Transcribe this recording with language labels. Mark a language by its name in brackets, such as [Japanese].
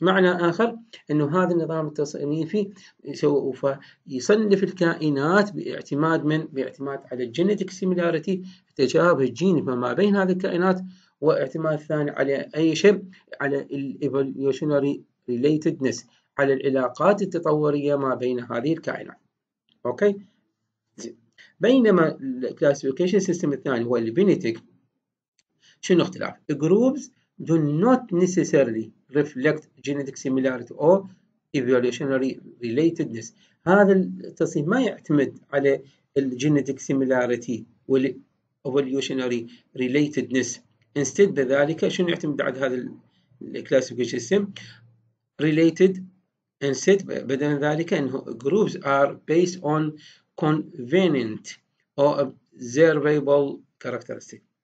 [Arabic] معنى اخر انه هذا النظام التصنيفي سوف يصنف الكائنات باعتماد من باعتماد على [English] الجينيتك سيميلاريتي [Arabic] تشابه الجين فما بين هذه الكائنات، واعتماد ثاني على اي شيء على [English] الايفولوشنري ريليتدنس [Arabic] على العلاقات التطوريه ما بين هذه الكائنات. اوكي، بينما الكلاسيفيكيشن سيستم الثاني هو البينيتك، شنو اختلاف؟ [English] Groups do not necessarily reflect genetic similarity or evolutionary relatedness. [Arabic] هذا التصنيف ما يعتمد على ال [English] genetic similarity [Arabic] وال [English] evolutionary relatedness. [Arabic] Instead بذلك شنو يعتمد على هذا ال [English] classification system related. Instead [Arabic] بدلا ذلك إنه [English] groups are based on convenient or observable characteristics.